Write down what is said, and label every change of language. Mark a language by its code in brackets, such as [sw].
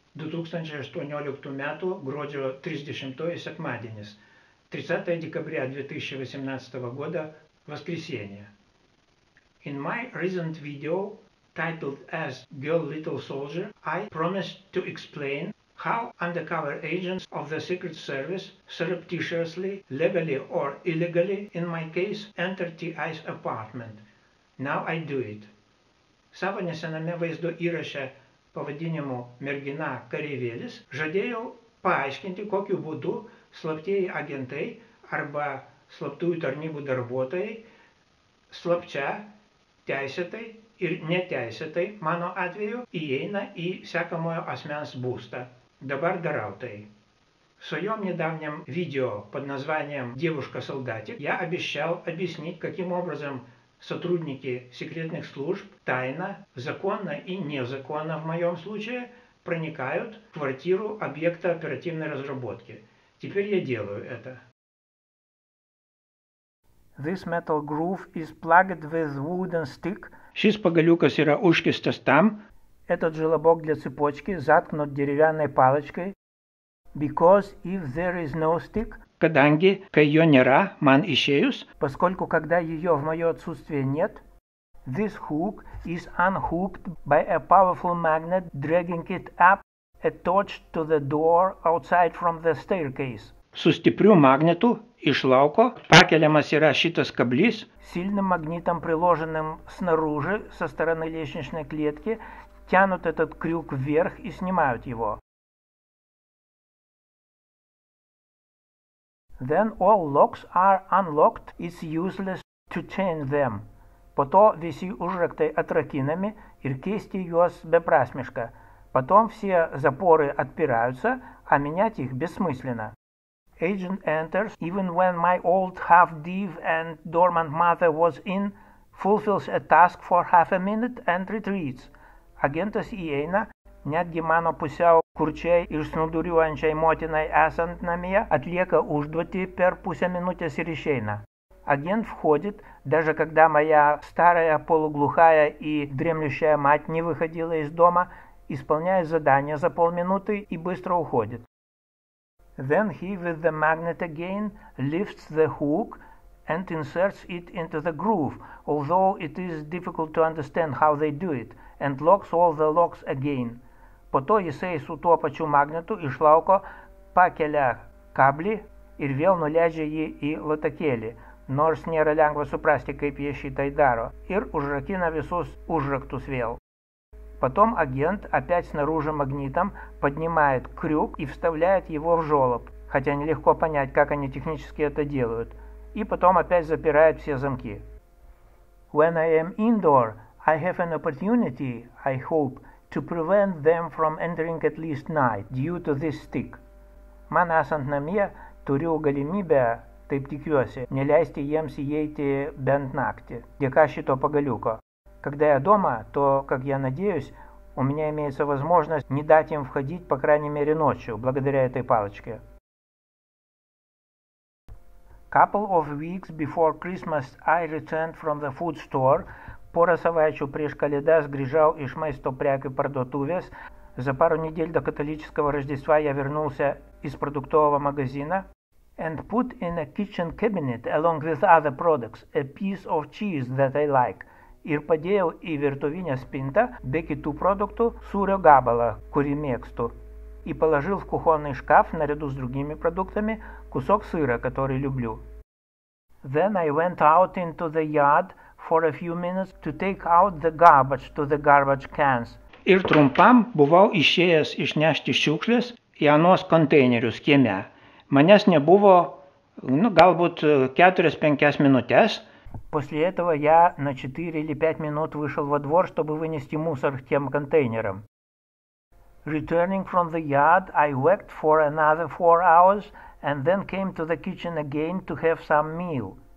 [lt] 2018 metų gruodžio 30 sekmadienis. [ru] 30 декабря 2018 года воскресенье. [en] In my recent video titled as Girl Little Soldier, I promised to explain how undercover agents of the Secret Service surreptitiously, legally or illegally, in my case, enter TI's apartment. Now I do it. [lt] Savo nesename vaizdo įraše pavadinimu Mergina Kareivėlis žadėjau paaiškinti, kokiu būdu slaptieji agentai arba slaptųjų tarnybų darbuotojai slapčia teisėtai ir neteisėtai mano atveju įeina į sekamojo asmens būstą. Dabar darau tai. [ru] В своем недавнем видео под названием «Девушка-солдатик» я обещал объяснить, каким образом сотрудники секретных служб тайно, законно и незаконно в моем случае проникают в квартиру объекта оперативной разработки. Теперь я делаю это. [en] This metal groove is plugged with wooden stick. [lt] Šis pagaliukas yra užkištas tam. [ru] Этот желобок для цепочки заткнут деревянной палочкой. [en] Because if there is no stick, [lt] каданги, кай ее нера, ман ишеюс, [ru] поскольку когда ее в мое отсутствие нет, [en] this hook is unhooked by a powerful magnet dragging it up attached to the door outside from the staircase. [lt] Su stipriu magnetu iš lauko pakeliamas yra šitas kablys. [ru] Сильным магнитом, приложенным снаружи со стороны лестничной клетки, тянут этот крюк вверх и снимают его. [en] Then all locks are unlocked. It's useless to change them. [ru] Потом все [lt] užraktai atrakinami ir keisti juos beprasmiška. [ru] Потом все запоры отпираются, а менять их бессмысленно. [en] Agent enters even when my old half-deaf and dormant mother was in, fulfills a task for half a minute and retreats. [lt] Агентас įeina, netgi mano pusiau kurčiai ir snuduriuojančiai motinai esant namie, atlieka užduotį per pusę minutės ir išeina. [ru] Агент входит, даже когда моя старая полуглухая и дремлющая мать не выходила из дома, исполняя задание за полминуты и быстро уходит. [en] Then he with the magnet again lifts the hook and inserts it into the groove, although it is difficult to understand how they do it, and locks all the locks again. [lt] По то jisai su tuo pačiu magnetu iš lauko pakelia kablį ir vėl nuleidžia jį į latakėlį, nors nėra lengva suprasti, kaip jie šitai daro, ir užrakina visus užraktus vėl. [ru] Потом агент опять снаружи магнитом поднимает крюк и вставляет его в жёлоб, хотя нелегко понять, как они технически это делают, и потом опять запирает все замки. [en] When I am indoor, I have an opportunity, I hope, to prevent them from entering at least night due to this stick. [lt] Man esant namie, turiu galimybę, taip tikiuosi, neleisti jiems įeiti bent naktį, dėka šito pagaliuko. [ru] Когда я дома, то, как я надеюсь, у меня имеется возможность не дать им входить, по крайней мере, ночью, благодаря этой палочке. [en] Couple of weeks before Christmas I returned from the food store. [lt] Пора савайчу преш каледа сгрижал из маисто пряки продотувес. [ru] За пару недель до католического Рождества я вернулся из продуктового магазина. [en] And put in a kitchen cabinet, along with other products, a piece of cheese that I like. [lt] Ir padėjau į virtuvinę spintą be kitų produktų sūrio gabalą, kurį mėgstu. И положил в кухонный шкаф наряду с другими продуктами кусок сыра, который люблю. Then I went out into the yard for a few minutes to take out the garbage to the garbage cans. Ir trumpam buvau išėjęs išnešti šiukšlės į anos konteinerius kieme. Manęs nebuvo, nu, galbūt 4-5 minutės. [ru] После этого я на 4 или 5 минут вышел во двор, чтобы вынести мусор к тем контейнерам. [en] Returning from the yard, I worked for another 4 hours and then came to the kitchen again to have some meal.